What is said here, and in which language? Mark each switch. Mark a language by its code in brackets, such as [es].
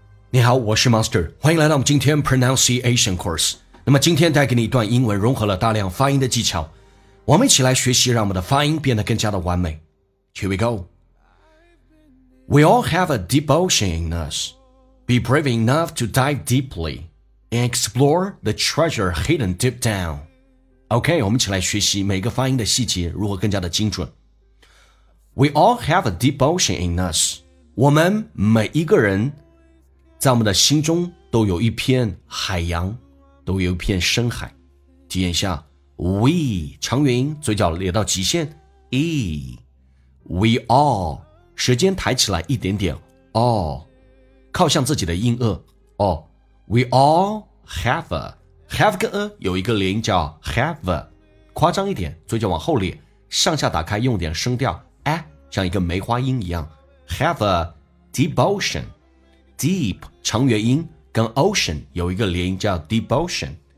[zh] 你好，我是 Master， 欢迎来到我们今天 [en] Pronunciation Course。 [zh] 那么今天带给你一段英文，融合了大量发音的技巧，我们一起来学习，让我们的发音变得更加的完美。 [en] Here we go. We all have a deep ocean in us. Be brave enough to dive deeply and explore the treasure hidden deep down. [zh] OK, 我们一起来学习每个发音的细节，如何更加的精准。 [en] We all have a deep ocean in us. [zh] 我们每一个人在我们的心中都有一片海洋，都有一片深海。体验一下 We 长元音，嘴角咧到极限 E [en] We all [zh] 舌尖抬起来一点点 All 靠向自己的音腭 All We all [en] have a [zh] Have 跟 a 有一个连音叫 have a 夸张一点，嘴角往后咧，上下打开，用点声调 A， 像一个梅花音一样 [en] Have a deep oceanDeep [zh] 长元音跟 ocean 有一个连音叫 [en] deep ocean，